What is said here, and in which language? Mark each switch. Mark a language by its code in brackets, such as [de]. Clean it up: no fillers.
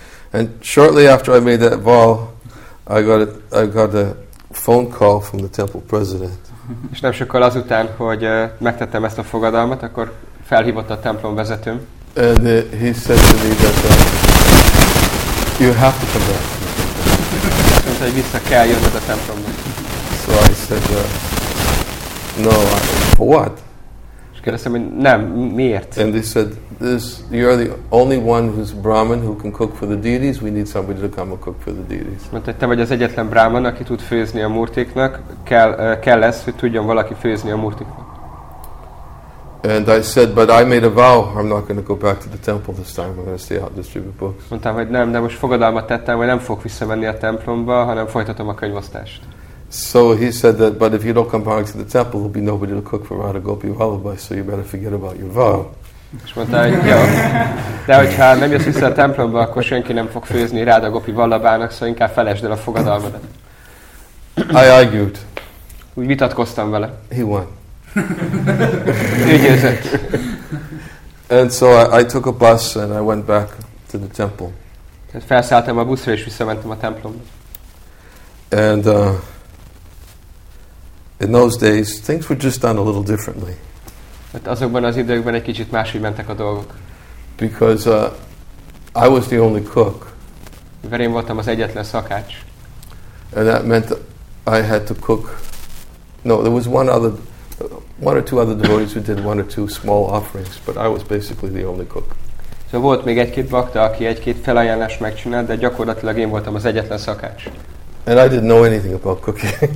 [en] And shortly after I made that vow, I got a phone call from the temple president. [hu] És nem sokkal azután, hogy megtettem ezt a fogadalmat, akkor felhívott a templom vezetőm. [en] And he said to me that you have to come back. [hu] Mondta, hogy vissza kell jönned a templomba. [en] So I said, no, for what? [hu] És kérdeztem, hogy nem, miért? [en] And they said, you're the only one who's Brahmin who can cook for the deities, we need somebody to come and cook for the deities. [hu] Mondta, hogy te vagy az egyetlen Brahmin, aki tud főzni a murtiknak, kell lesz, hogy tudjon valaki főzni a murtiknak. [en] And I said, but I made a vow, I'm not going to go back to the temple this time, I'm going to stay out and distribute books. [hu] Mondtam, hogy nem, de most fogadalmat tettem, hogy nem fogok visszamenni a templomba, hanem folytatom a könyvosztást. [en] So he said that, but if you don't come back to the temple, there'll be nobody to cook for Radha Gopi Vallabhai, so you better forget about your vow. [hu] És mondta, hogy jó, de hogyha nem jössz vissza a templomba, akkor senki nem fog főzni Radha Gopi Vallabhának, szóval inkább felejtsd el a fogadalmadat. [en] I argued. [hu] Úgy vitatkoztam vele. [en] He won. [hu] Ügyezett. [en] And so I took a bus and I went back to the temple. [hu] Tehát felszálltam a buszra és visszamentem a templomba. [en] And in those days things were just done a little differently. [hu] Hát azokban az időkben egy kicsit máshogy mentek a dolgok. [en] Because I was the only cook. [hu] Mivel én voltam az egyetlen szakács. [en] And that meant I had to cook. No, there was one or two other devotees who did one or two small offerings, but I was basically the only cook. [hu] So volt még egy-két bakta, aki egy-két felajánlást megcsinált, de gyakorlatilag én voltam az egyetlen szakács. [en] And I didn't know anything about cooking.